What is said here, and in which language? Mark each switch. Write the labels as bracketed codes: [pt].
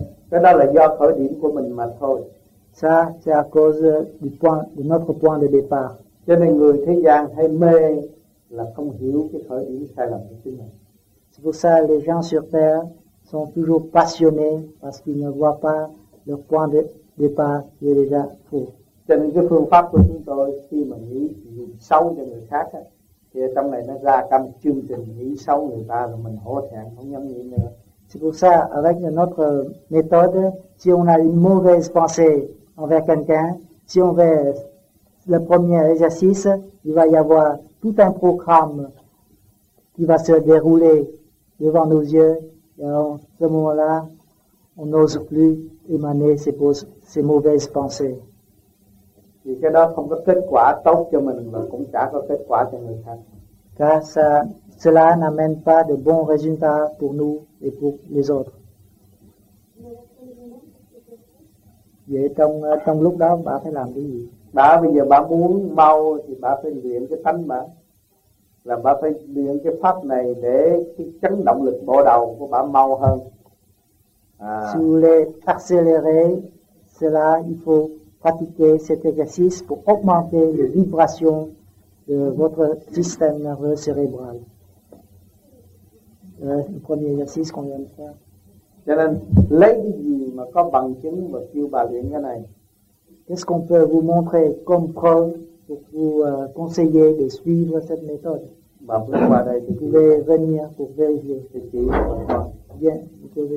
[vi] Cái đó là do khởi điểm của mình mà thôi. [fr] Ça, c'est à cause du point, de notre point de départ. [vi] Cho nên người thế gian hay mê là không hiểu cái khởi điểm sai lầm của chính mình. [fr] C'est pour ça les gens sur terre sont toujours passionnés parce qu'ils ne voient pas leur point de départ qui est déjà faux. [vi] Cho nên cái phương pháp của chúng tôi khi mà nghĩ xấu cho người khác á, thì ở trong này nó ra cả một chương trình nghĩ xấu người ta rồi mình hổ thẹn không dám nghĩ nữa. [fr] C'est pour ça, avec notre méthode, si on a une mauvaise pensée envers quelqu'un, si on veut le premier exercice, il va y avoir tout un programme qui va se dérouler devant nos yeux, et à ce moment-là, on n'ose plus émaner ces mauvaises pensées. [vi] Et cái đó không có kết quả tốt cho mình và cũng chả có kết quả cho người khác. [fr] Car ça, cela n'amène pas de bons résultats pour nous et pour les autres. [vi] Vậy trong lúc đó bà phải làm cái gì? Bà bây giờ bà muốn mau thì bà phải luyện cái tánh bà. Là bà phải luyện cái pháp này để cái chấn động lực bộ đầu của bà mau hơn. [fr] Si vous voulez accélérer cela, il faut pratiquer cet exercice pour augmenter les vibrations de votre système nerveux cérébral. Le premier exercice qu'on vient de faire. [vi] Cho nên lấy cái gì mà có bằng chứng mà kêu bà luyện cái này? [fr] Qu'est-ce qu'on peut vous montrer comme preuve pour vous conseiller de suivre cette méthode? [vi] Bà vous qua đây thì [fr] vous pouvez venir pour vérifier. [vi] Thì chỉ [fr] bien, vous pouvez.